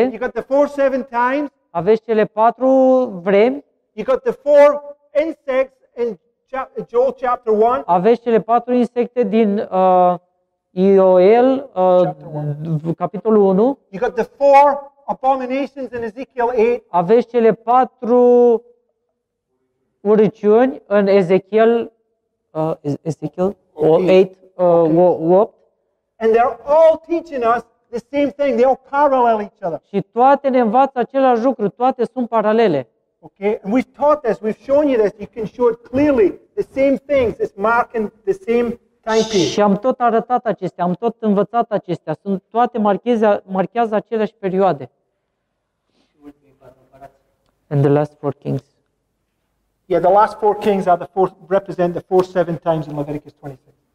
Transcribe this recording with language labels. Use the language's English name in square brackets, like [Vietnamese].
[English] You got the four seven times. [Romanian] Aveți cele patru vremi. [English] You got the four insects in Joel chapter 1. [Romanian] Aveți cele patru insecte din Ioel capitolul 1. [English] You got the four abominations in Ezekiel 8. [Romanian] Aveți cele patru urăciuni în Ezekiel Ezekiel 8. [English] And they're all teaching us the same thing. They all parallel each other. [Romanian] Și toate ne învață același lucru. Toate sunt paralele. [English] Okay. And we've taught this. We've shown you this. You can show it clearly. The same things. It's marking the same time period. [Romanian] Și am tot arătat acestea. Am tot învățat acestea. Sunt toate marchează aceleași perioade. [English] And the last four kings. Yeah, the last four kings are the four, represent the four seven times in Leviticus 26.